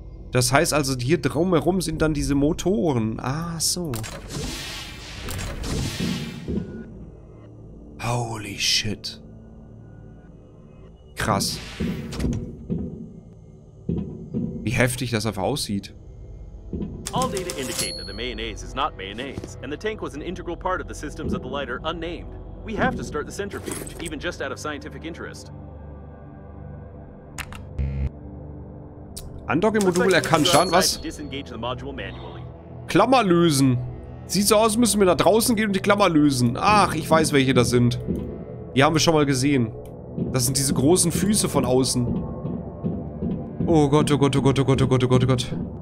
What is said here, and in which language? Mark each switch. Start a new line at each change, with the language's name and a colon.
German: Das heißt also, hier drumherum sind dann diese Motoren. Ah, so.
English: Holy shit.
German: Krass. Wie heftig das einfach aussieht.
English: All data indicate that the mayonnaise is not mayonnaise, and the tank was an integral part of the systems of the lighter unnamed. We have to start the centrifuge, even just out of scientific interest.
German: Andock im Modul erkannt, schauen was?
English: Disengage the module manually.
German: Klammer lösen. Sieht so aus, müssen wir nach draußen gehen und die Klammer lösen. Ach, ich weiß, welche das sind. Die haben wir schon mal gesehen. Das sind diese großen Füße von außen. Oh Gott, oh Gott, oh Gott, oh Gott, oh Gott, oh Gott, oh Gott.